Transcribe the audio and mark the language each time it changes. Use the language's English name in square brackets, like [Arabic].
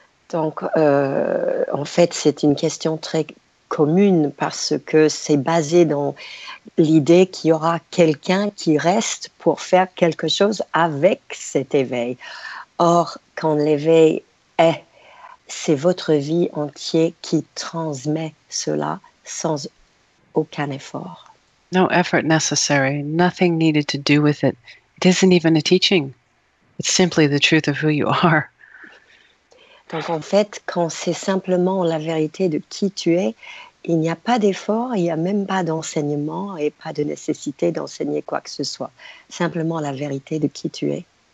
[French] Donc, en fait, c'est une question très commune parce que c'est basé dans l'idée qu'il y aura quelqu'un qui reste pour faire quelque chose avec cet éveil. Or, quand l'éveil est, c'est votre vie entière qui transmet cela sans aucun effort. [English] No effort necessary. Nothing needed to do with it. It isn't even a teaching. It's simply the truth of who you are. [French] Donc en fait, quand c'est simplement la vérité de qui tu es, il n'y a pas d'effort, il n'y a même pas d'enseignement et pas de nécessité d'enseigner quoi que ce soit. Simplement la vérité de qui tu es.